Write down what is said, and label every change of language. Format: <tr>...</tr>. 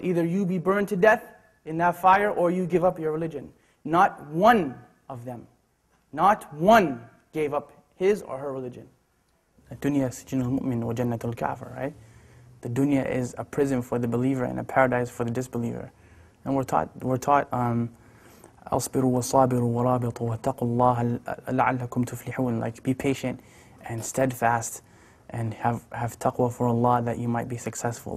<en>Either you be burned to death in that fire or you give up your religion. Not one of them, not one gave up his or her religion. The dunya is</en> <ar>sijnul mu'min wa jannatul kafir,</ar> <en>right? The dunya is a prison for the believer and a paradise for the disbeliever. And we're taught,</en> <ar>أَصْبِرُوا وَصَابِرُوا وَرَابِطُوا وَاتَّقُوا اللَّهَ لَعَلَّكُمْ تُفْلِحُونَ.</ar> <en>Like, be patient and steadfast and have taqwa for Allah that you might be successful.</en>